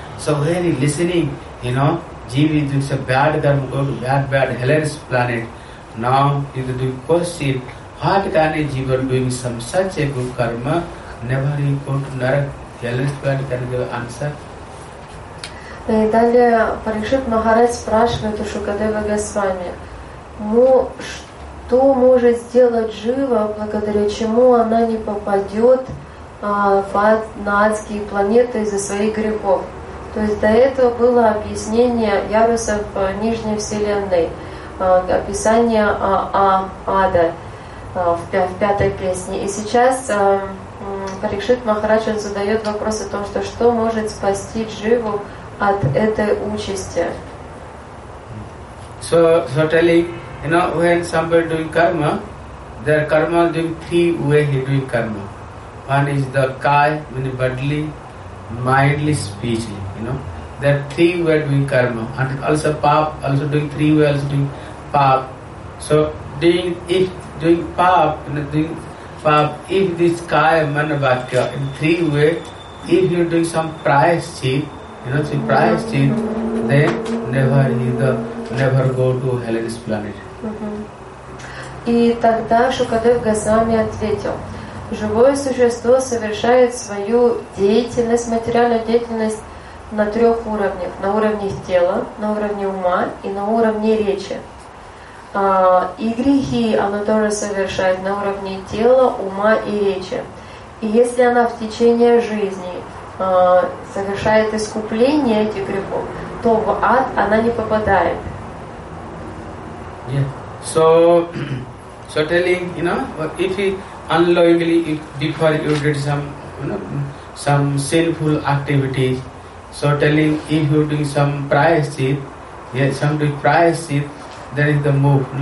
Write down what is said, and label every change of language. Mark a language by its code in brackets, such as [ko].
[en] So when you listening, you know, Jeevi is doing some bad karma, go to bad, bad, hellish planet. Now, if you question, what can a Jeeva doing some such a good karma, never he go to narak, hellish planet, can you give an answer? [ru] И далее Парикшит Махарадж спрашивает у Шукадева Госвами, что может сделать Джива, благодаря чему она не попадет на адские планеты из-за своих грехов. То есть до этого было объяснение ярусов Нижней Вселенной, описание ада в пятой песне. И сейчас Парикшит Махарадж задает вопрос о том, что может спасти Дживу от этой участи. [en] So telling, you know, when somebody doing karma, their karma doing three way he doing karma. One is the kai, meaning bodily, mindly, speechly, you know. There are three way doing karma. And also pap, also doing three way, also doing pap. So doing, if doing pap, you know, doing pap, if this kai, mana, vatya, in three way, if you're doing some prayaschit, you know, see, prayaschit, then never either, never go to hellish planet. [ru] И тогда Шукадев Госвами ответил, живое существо совершает свою деятельность, материальную деятельность на трех уровнях. На уровне тела, на уровне ума и на уровне речи. И грехи оно тоже совершает на уровне тела, ума и речи. И если она в течение жизни совершает искупление этих грехов, то в ад она не попадает. [en] Yeah. So telling, you know, if he unknowingly before you did some sinful activities, so telling if you doing some prayaschit, yes, some doing prayaschit, there is the move.